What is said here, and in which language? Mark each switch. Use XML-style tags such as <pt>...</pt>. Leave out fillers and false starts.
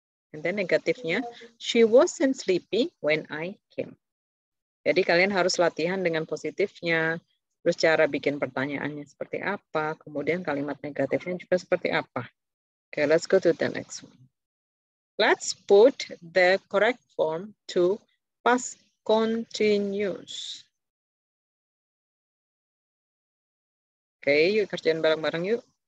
<en>And then</en> <id>negatifnya,</id> <en>she wasn't sleepy when I came.</en> <id>Jadi kalian harus latihan dengan positifnya, terus cara bikin pertanyaannya seperti apa, kemudian kalimat negatifnya juga seperti apa.</id> <en>Okay, let's go to the next one. Let's put the correct form to past continuous.</en> <id>Okay, yuk kerjain bareng-bareng yuk.</id>